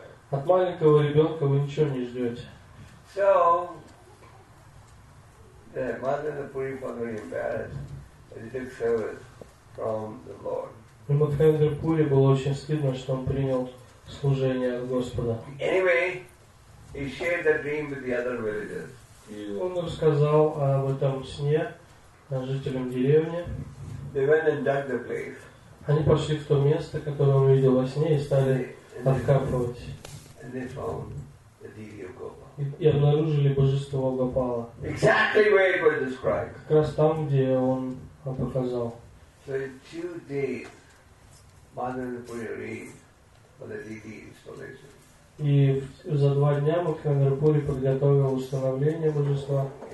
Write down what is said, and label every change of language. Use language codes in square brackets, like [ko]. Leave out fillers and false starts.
[ru] От маленького ребенка вы ничего не ждете. [en] So, the mother and the Puri was very embarrassed that he took service from the Lord. [ru] И Мадхавендра Пури было очень стыдно, что он принял служение от Господа. [en] Anyway, he shared the dream with the other villagers. [ru] Он рассказал об этом сне жителям деревни. [en] They went and dug the place. [ru] Они пошли в то место, которое он видел во сне, и стали откапывать. [en] And they found the deity of Gopala. [ru] И обнаружили божество Гопала. [en] Exactly where it was described. [ru] Как раз там, где он показал. [en] So in 2 days, Madhavendra Puri arranged for the deity installation. [ru] И за 2 дня Мадхавендра Пури подготовил установление божества.